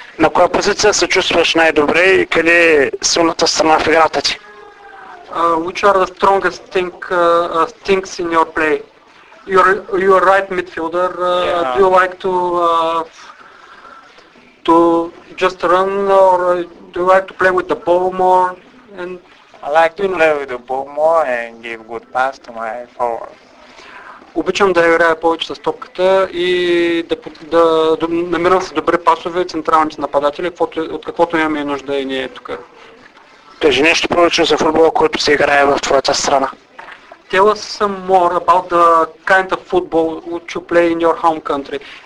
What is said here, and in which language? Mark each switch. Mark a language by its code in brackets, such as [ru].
[bg] На коя позиция се чувстваш най-добре и къде е силната страна в играта ти? [en] Which are the strongest things in your play? You're right midfielder. Yeah. Do you like to just run or do you like to play with the ball more? And I like to play with the ball more and give good pass to my forward. [bg] Обичам да играя повече с топката и да намирам се добри пасове централните нападатели, от каквото имаме нужда и ние тук. Кажи нещо повече за футбола, който се играе в твоята страна. [en] Tell us some more about the kind of football which you play in your home country.